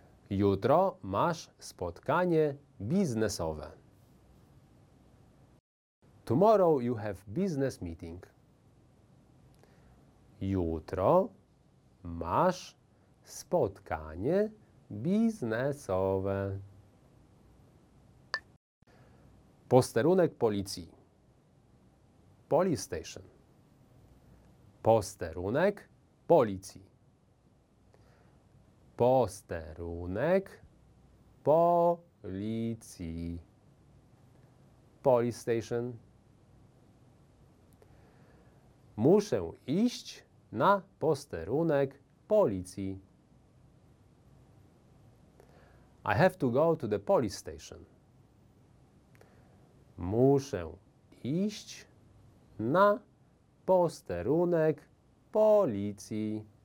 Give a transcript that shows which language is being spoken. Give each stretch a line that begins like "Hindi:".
Polish: Jutro masz spotkanie biznesowe.
English: Tomorrow you have business meeting.
Polish: Jutro masz spotkanie biznesowe. Posterunek policji. Police station. Posterunek policji. Posterunek policji. Police station. Muszę iść na posterunek policji.
English: I have to go to the police station.
Polish: Muszę iść na posterunek policji.